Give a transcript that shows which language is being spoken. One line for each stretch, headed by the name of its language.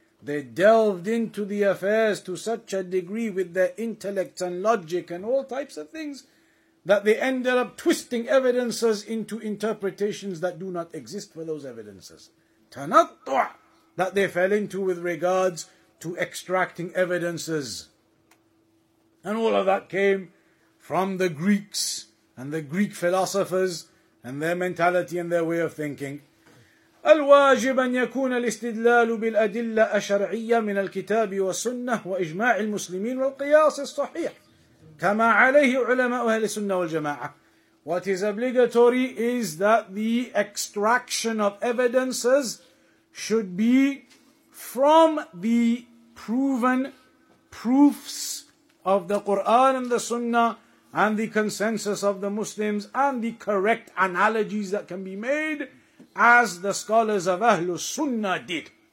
English: They delved into the affairs to such a degree with their intellect and logic and all types of things that they ended up twisting evidences into interpretations that do not exist for those evidences. Tanattu' that they fell into with regards to extracting evidences. And all of that came from the Greeks and the Greek philosophers and their mentality and their way of thinking.
Arabic: الواجب أن يكون الاستدلال بالأدلة الشرعية من الكتاب والسنة وإجماع المسلمين والقياس الصحيح كما عليه علماء أهل السنة والجماعة.
English: What is obligatory is that the extraction of evidences should be from the proven proofs of the Qur'an and the Sunnah and the consensus of the Muslims and the correct analogies that can be made as the scholars of Ahlus Sunnah did.